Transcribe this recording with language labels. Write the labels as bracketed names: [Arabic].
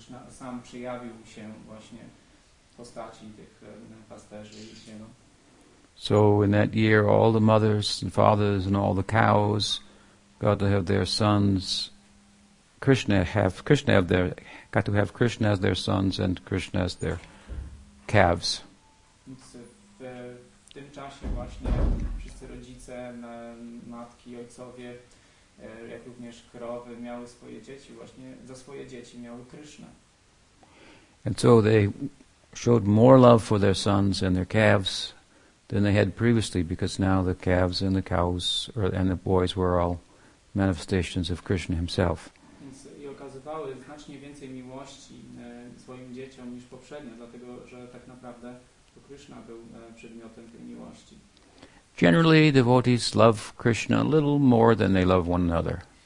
[Polish] Sam przejawił się właśnie w postaci tych pasterzy i cielą. [English] So in that year all the mothers and fathers and all the cows got to have their sons. Krishna as their sons and Krishna as their calves. [Polish] Więc w tym czasie właśnie wszyscy rodzice, matki, ojcowie, jak również krowy miały swoje dzieci, właśnie za swoje dzieci miały Krishna. [English] And so they showed more love for their sons and their calves than they had previously, because now the calves and the cows and the boys were all manifestations of Krishna himself. [Polish] I okazywały znacznie więcej miłości swoim dzieciom niż poprzednio, dlatego że tak naprawdę to Krishna był przedmiotem tej miłości. [English] Generally, devotees love Krishna a little more than they love one another.